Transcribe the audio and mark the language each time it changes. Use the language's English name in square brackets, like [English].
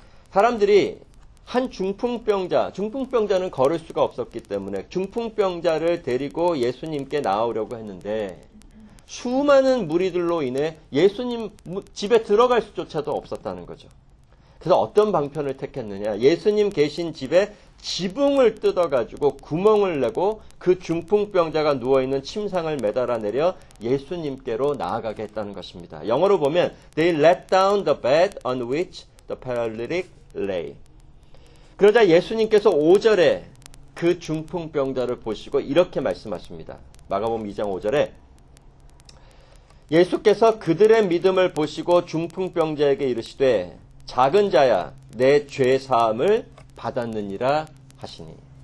[Korean] 사람들이 한 중풍병자는 걸을 수가 없었기 때문에 중풍병자를 데리고 예수님께 나오려고 했는데 수많은 무리들로 인해 예수님 집에 들어갈 수조차도 없었다는 거죠. 그래서 어떤 방편을 택했느냐. 예수님 계신 집에 지붕을 뜯어가지고 구멍을 내고 그 중풍병자가 누워있는 침상을 매달아 내려 예수님께로 나아가게 했다는 것입니다. 영어로 보면 [English] They let down the bed on which the paralytic lay. [Korean] 그러자 예수님께서 5절에 그 중풍병자를 보시고 이렇게 말씀하십니다. 마가복음 2장 5절에 예수께서 그들의 믿음을 보시고 중풍병자에게 이르시되 작은 자야 내 죄사함을 받았느니라 하시니.